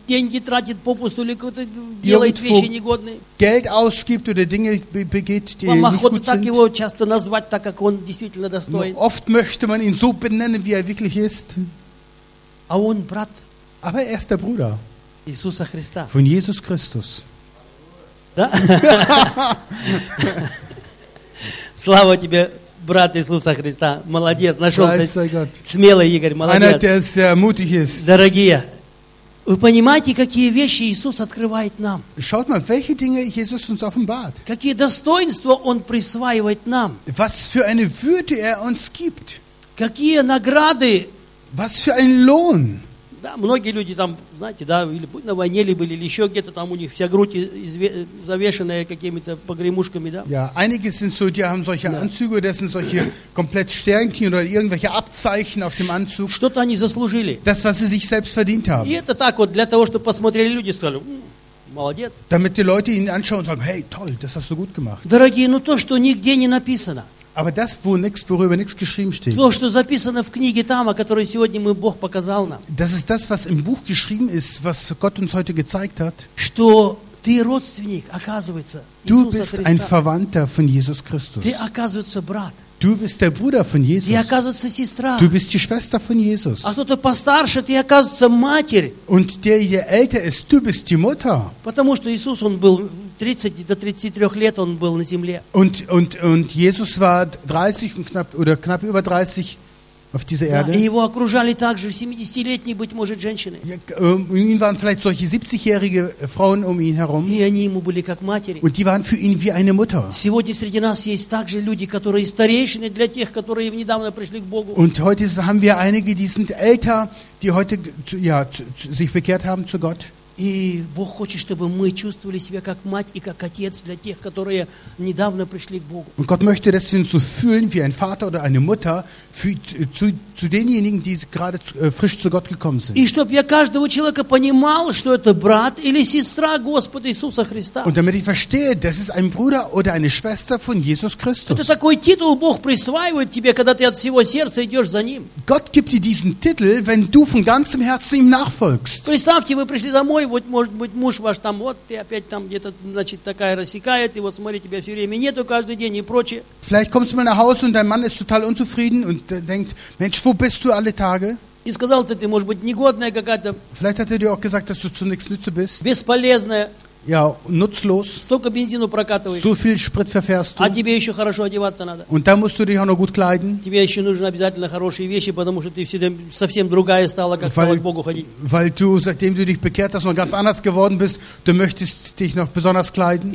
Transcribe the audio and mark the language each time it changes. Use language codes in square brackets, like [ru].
[ru] Деньги тратит попусту или какие-то делает вещи негодные. [de] Geld ausgibt oder Dinge begeht, die nicht gut sind. Man mag [ru] его часто назвать так, как он действительно достоин. [de] Oft möchte man ihn so benennen, wie er wirklich ist. [ru] А он брат. [de] Aber er ist der Bruder. [ru] Иисуса Христа. [de] Von Jesus Christus. [ru] Да? Слава тебе, брат Иисуса Христа. Молодец, нашелся. Смелый Игорь, молодец. [de] Einer, [ru] дорогие, вы понимаете, какие вещи Иисус открывает нам? [de] Schaut mal, welche Dinge Jesus uns offenbart. [ru] Какие достоинства Он присваивает нам? [de] Was für eine Würde er uns gibt. [ru] Какие награды? [de] Was für ein Lohn. [ru] Да, многие люди там, знаете, да, или на войне ли были, или еще где-то там у них вся грудь завешенная какими-то погремушками, да? [de] Ja, einige sind so, die haben solche Anzüge, das sind solche komplett Sternchen oder irgendwelche Abzeichen auf dem Anzug. [ru] Что-то они заслужили. [de] Das, was sie sich selbst verdient haben. [ru] И это так вот для того, чтобы посмотрели люди, сказали, молодец. [de] Damit die Leute ihn anschauen und sagen, hey, toll, das hast du gut gemacht. [ru] Дорогие, ну то, что нигде не написано. [de] Aber das, worüber nichts geschrieben steht. [ru] То, что записано в книге Тама, которую сегодня мы Бог показал нам. [de] Das ist das, was im Buch geschrieben ist, was Gott uns heute gezeigt hat. [ru] Что ты родственник, оказывается, Иисуса Христа. [de] Du bist ein Verwandter von Jesus Christus. [ru] Ты, оказывается, брат. [de] Du bist der Bruder von Jesus. [ru] Ты, оказывается, сестра. [de] Du bist die Schwester von Jesus. [ru] А кто-то постарше, ты, оказывается, матерь. [de] Und der älter ist, du bist die Mutter. [ru] Потому что Иисус, он был 30 до 33 лет он был на земле. [de] Und Jesus war 30 und knapp über 30 auf dieser Erde. [ru] Его окружали также 70-летние, быть может, женщины. [de] Ihn waren vielleicht solche 70-jährige Frauen um ihn herum. [ru] И они ему были как матери. [de] Und die waren für ihn wie eine Mutter. [ru] Сегодня среди нас есть также люди, которые старейшины для тех, которые недавно пришли к Богу. [de] Und heute haben wir einige, die sind älter, die heute sich bekehrt haben zu Gott. [ru] И Бог хочет, чтобы мы чувствовали себя как мать и как отец для тех, которые недавно пришли к Богу. [de] Und Gott möchte, dass wir uns so fühlen wie ein Vater oder eine Mutter zu denjenigen, die gerade frisch zu Gott gekommen sind. [ru] И чтобы я каждого человека понимал, что это брат или сестра Господа Иисуса Христа. [de] Und damit ich verstehe, das ist ein Bruder oder eine Schwester von Jesus Christus. [ru] Это такой титул Бог присваивает тебе, когда ты от всего сердца идешь за ним. [de] Gott gibt dir diesen Titel, wenn du von ganzem Herzen ihm nachfolgst. [ru] Представьте, вы пришли домой. Вот, может быть, муж ваш там, вот ты опять там где-то, значит, такая рассекает, и вот смотри, тебя все время нету каждый день и прочее. [de] Vielleicht kommst du mal nach Hause und dein Mann ist total unzufrieden und denkt, Mensch, wo bist du alle Tage? [ru] И сказал ты, может быть, негодная какая-то. [de] Vielleicht hat er dir auch gesagt, dass du zu nichts nütze bist. [ru] Бесполезная. [de] Ja, nutzlos. [ru] Столько бензину прокатываешь. [de] So viel Sprit verfährst du. [ru] А тебе еще хорошо одеваться надо. [de] Und dann musst du dich auch noch gut kleiden. [ru] Тебе еще нужно обязательно хорошие вещи, потому что ты всегда совсем другая стала, как стала к Богу ходить. [de] Weil du, seitdem du dich bekehrt hast, noch ganz anders geworden bist, du möchtest dich noch besonders kleiden.